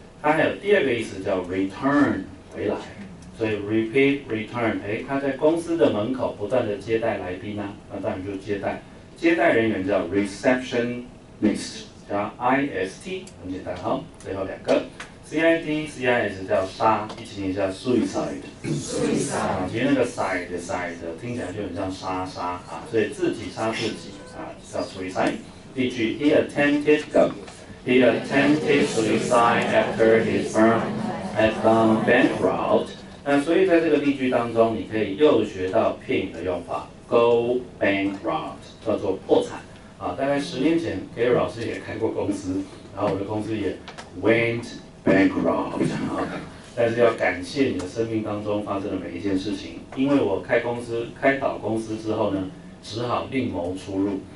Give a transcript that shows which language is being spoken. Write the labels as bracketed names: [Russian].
[Chinese] 它还有第二个意思叫 return， 回来。所以 repeat return， 哎，他在公司的门口不断的接待来宾呢、啊，那当然就接待，接待人员叫 receptionist， 叫 I S T， 很简单哈、哦。最后两个。 CID CIS 叫杀，一起念一下 suicide。 [English] suicide、 [Chinese] 啊。其实那个 side side 听起来就很像杀杀啊，所以自己杀自己啊，叫 suicide。第一句 [English] ，He attempted He attempted suicide after his firm had gone bankrupt。 [Chinese] 那所以在这个例句当中，你可以又学到 pin 的用法 ，go bankrupt 叫做破产啊。大概十年前 ，Gary 老师也开过公司，然后我的公司也 went。 [English] Bankrupt 啊！ [Chinese] 但是要感谢你的生命当中发生的每一件事情，因为我开公司、开倒公司之后呢，只好另谋出路。